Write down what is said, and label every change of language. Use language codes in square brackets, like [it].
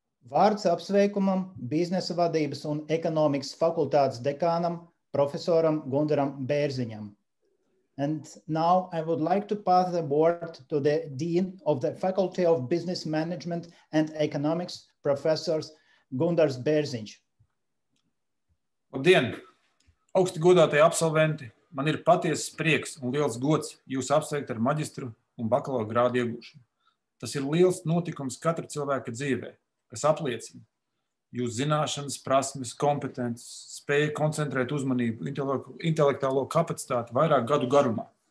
[lv] Vārds apsveikumam biznesa vadības un ekonomikas fakultātes dekānam, profesoram Gundaram Bērziņam. [en] And now I would like to pass the word to the Dean of the Faculty of Business Management and Economics, Professors Gundars Bērziņš. [lv] Labdien! Augsti godātie absolventi, man ir patiesas prieks un liels gods jūs apsveikt ar maģistru un bakalaura grādu iegūšanu. Tas ir liels notikums katra cilvēka dzīvē. Kas apliecina jūs zināšanas, prasmes, kompetences, spēja koncentrēt uzmanību, intelektuālo kapacitāti vairāk gadu garumā.